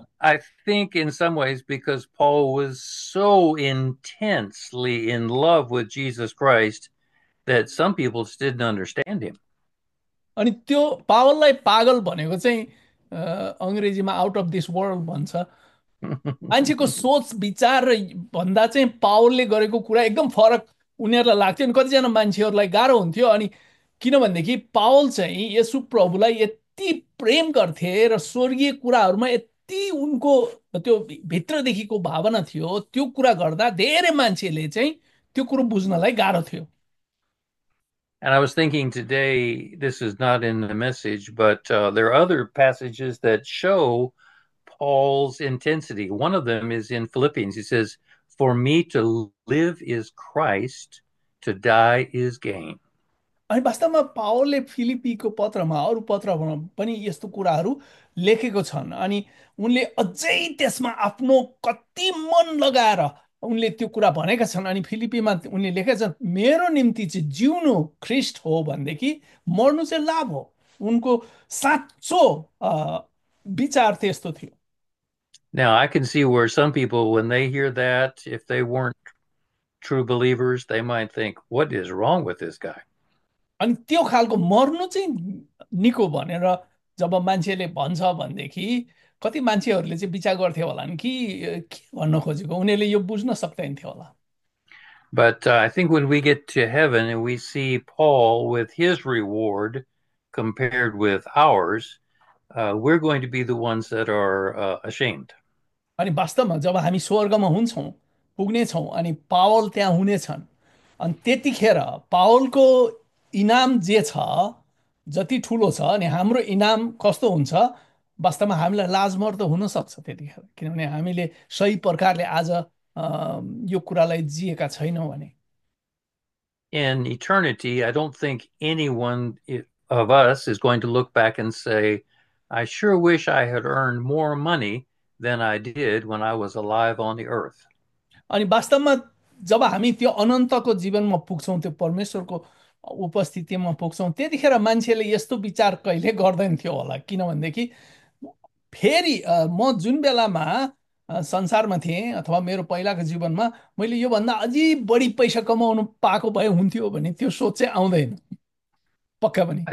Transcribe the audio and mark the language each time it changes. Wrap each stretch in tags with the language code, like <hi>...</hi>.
<en>I think in some ways, because Paul was so intensely in love with Jesus Christ that some people just didn't understand him.</en> <ne>अनि त्यो पावललाई पागल भनेको चाहिँ अङ्ग्रेजीमा</ne> <en>out of this world</en> <ne>भन्छ। मान्छेको सोच विचार भन्दा चाहिँ पावलले गरेको कुरा एकदम फरक उनीहरूलाई लाग्थ्यो अनि कतिजना मान्छेहरूलाई गाह्रो हुन्थ्यो। अनि किनभनेदेखि पावल चाहिँ येशु प्रभुलाई यति प्रेम गर्थे र स्वर्गीय कुराहरूमा यति उनको त्यो भित्रदेखिको भावना थियो त्यो कुरा गर्दा धेरै मान्छेले चाहिँ त्यो कुरो बुझ्नलाई गाह्रो थियो।</ne> <en>And I was thinking today, this is not in the message, but there are other passages that show Paul's intensity. One of them is in Philippians. He says, "For me to live is Christ, to die is gain."</en> <ne>अनि वास्तवमा पावलले फिलिपीको पत्रमा अरू पत्रमा पनि यस्तो कुराहरू लेखेको छन्। अनि उनले अझै त्यसमा आफ्नो कति मन लगाएर उनले त्यो कुरा भनेका छन्। अनि फिलिपीमा उनले लेखेका छन् मेरो निम्ति चाहिँ जिउनु ख्रिस्ट हो भनेदेखि मर्नु चाहिँ लाभ हो। उनको साँचो विचार चाहिँ यस्तो थियो।</ne> <en>Now, I can see where some people, when they hear that, if they weren't true believers, they might think, what is wrong with this guy?</en> <ne>अनि त्यो खालको मर्नु चाहिँ निको भनेर जब मान्छेले भन्छ भनेदेखि कति मान्छेहरूले चाहिँ विचार गर्थे होला नि कि के भन्न खोजेको उनीहरूले यो बुझ्न सक्दैन थियो होला।</ne> <en>But I think when we get to heaven and we see Paul with his reward compared with ours, we're going to be the ones that are ashamed.</en> <ne>अनि वास्तवमा जब हामी स्वर्गमा हुन्छौँ पुग्नेछौँ अनि पावल त्यहाँ हुनेछन् अनि त्यतिखेर पावलको इनाम जे छ जति ठुलो छ अनि हाम्रो इनाम कस्तो हुन्छ वास्तवमा हामीलाई लाजमर्दो हुनसक्छ त्यतिखेर किनभने हामीले सही प्रकारले आज यो कुरालाई जिएका छैनौँ भने।</ne> <en>In eternity, I don't think anyone of us is going to look back and say, I sure wish I had earned more money than I did when I was alive on the earth.</en> <ne>अनि वास्तवमा जब हामी त्यो अनन्तको जीवनमा पुग्छौँ त्यो परमेश्वरको उपस्थितिमा पुग्छौँ त्यतिखेर मान्छेले यस्तो विचार कहिले गर्दैन थियो होला किनभनेदेखि फेरि म जुन बेलामा संसारमा थिएँ अथवा मेरो पहिलाको जीवनमा मैले योभन्दा अझै बढी पैसा कमाउनु पाएको भए हुन्थ्यो भने त्यो सोच चाहिँ आउँदैन पक्का पनि।</ne>